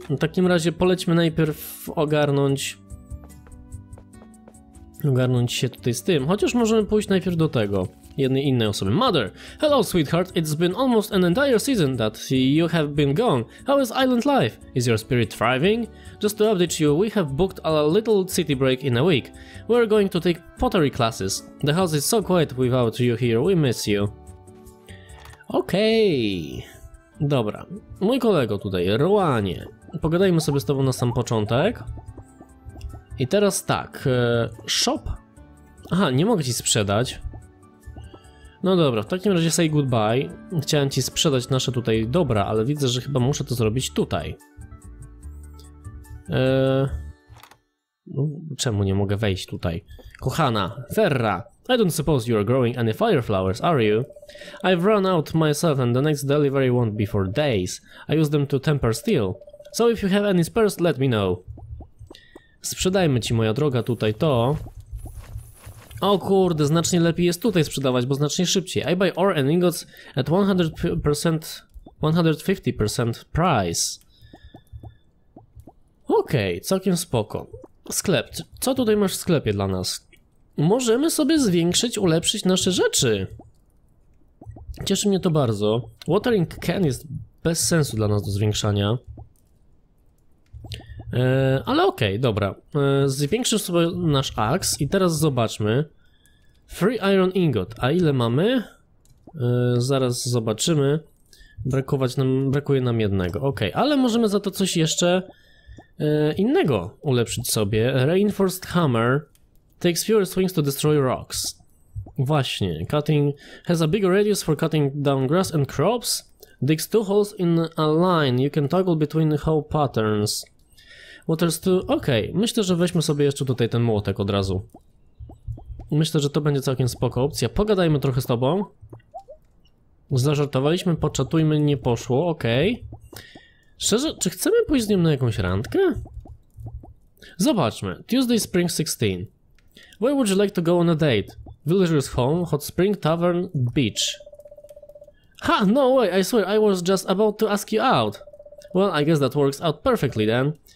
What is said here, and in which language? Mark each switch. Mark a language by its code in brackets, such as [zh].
[pl] W takim razie polećmy najpierw ogarnąć się tutaj z tym, chociaż możemy pójść najpierw do tego jednej innej osoby. [en] Mother! Hello, sweetheart. It's been almost an entire season that you have been gone. How is island life? Is your spirit thriving? Just to update you, we have booked a little city break in a week. We're going to take pottery classes. The house is so quiet without you here. We miss you. [pl] Okej. Dobra. Mój kolego tutaj, Ruanie. Pogadajmy sobie z tobą na sam początek. I teraz tak, shop. Aha, nie mogę ci sprzedać. No dobra, w takim razie [en] say goodbye. [pl] Chciałem ci sprzedać nasze tutaj dobra, ale widzę, że chyba muszę to zrobić tutaj. Czemu nie mogę wejść tutaj? Kochana, Ferra. [en] I don't suppose you are growing any fireflowers, are you? I've run out myself and the next delivery won't be for days. I use them to temper steel. So if you have any spares, let me know. [pl] Sprzedajmy ci, moja droga, tutaj to. O kurde, znacznie lepiej jest tutaj sprzedawać, bo znacznie szybciej. [en] I buy ore and ingots at 100%, 150% price. [pl] Okej, całkiem spoko. Sklep, co tutaj masz w sklepie dla nas? Możemy sobie zwiększyć, ulepszyć nasze rzeczy. Cieszy mnie to bardzo. Watering can jest bez sensu dla nas do zwiększania. Ale okej, dobra. Zwiększył sobie nasz aks i teraz zobaczmy. [en] Free iron ingot. [pl] A ile mamy? Zaraz zobaczymy. Brakuje nam jednego. Okej, ale możemy za to coś jeszcze innego ulepszyć sobie. Reinforced hammer. [en] takes fewer swings to destroy rocks. [pl] Właśnie, [en] cutting has a bigger radius for cutting down grass and crops. Digs two holes in a line. You can toggle between hole patterns. Waters two. [pl] Okej, myślę, że weźmy sobie jeszcze tutaj ten młotek od razu. Myślę, że to będzie całkiem spoko opcja. Pogadajmy trochę z tobą. Zażartowaliśmy, poczatujmy, nie poszło, okej. Szczerze, czy chcemy pójść z nią na jakąś randkę? Zobaczmy. Tuesday Spring 16. [en] Where would you like to go on a date? Villager's Home, Hot Spring Tavern, Beach. Ha, no way, I swear, I was just about to ask you out. Well, I guess that works out perfectly then.